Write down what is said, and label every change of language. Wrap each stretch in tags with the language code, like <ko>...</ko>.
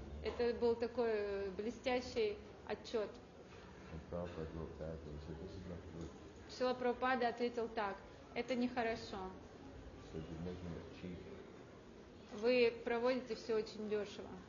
<ru>Это был такой блестящий отчет.</ru> <en>And Prabhupada wrote back and said, this is not good.</en> <ru>Шрила Прабхупада ответил так, это нехорошо.</ru> <en>So you're making it cheap.</en> <ru>Вы проводите все очень дешево.</ru>